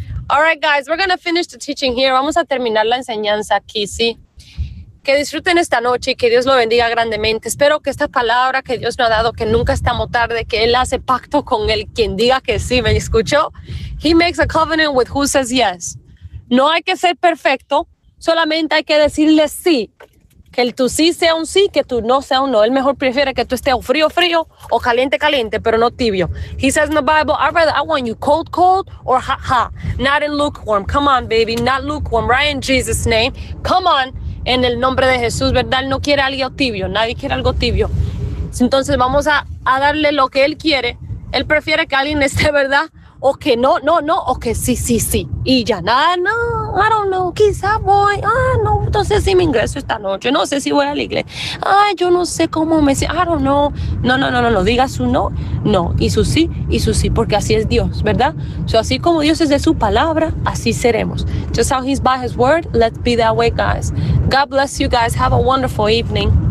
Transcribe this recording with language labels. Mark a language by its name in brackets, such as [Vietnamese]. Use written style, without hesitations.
[English] All right, guys, we're going to finish the teaching here. [Spanish] Vamos a terminar la enseñanza aquí, ¿sí? Que disfruten esta noche y que Dios lo bendiga grandemente. Espero que esta palabra que Dios nos ha dado, que nunca estamos tarde, que Él hace pacto con el quien diga que sí, ¿me escuchó? [English] He makes a covenant with who says yes. [Spanish] No hay que ser perfecto, solamente hay que decirle sí. Que el tu sí sea un sí, que tu no sea un no. Él mejor prefiere que tú estés frío, frío, o caliente, caliente, pero no tibio. [English] He says in the Bible, I'd rather I want you cold, cold, or hot, hot. Not in lukewarm. Come on, baby, not lukewarm. Right in Jesus' name. Come on. [Spanish] En el nombre de Jesús, ¿verdad? Él no quiere algo tibio, nadie quiere algo tibio. Entonces vamos a darle lo que Él quiere. Él prefiere que alguien esté, ¿verdad? O que no, no, no, o que sí, sí, sí. Y ya, nada, no, [English] I don't know, [Spanish] quizá voy. Ah, no, no sé si me ingreso esta noche, no sé si voy a la iglesia. Ay, yo no sé cómo me sé, [English] I don't know. [Spanish] No, no, no, no, no, diga su no, no, y su sí, porque así es Dios, ¿verdad? So, así como Dios es de su palabra, así seremos. [English] Just how he's by his word, let's be that way, guys. God bless you guys, have a wonderful evening.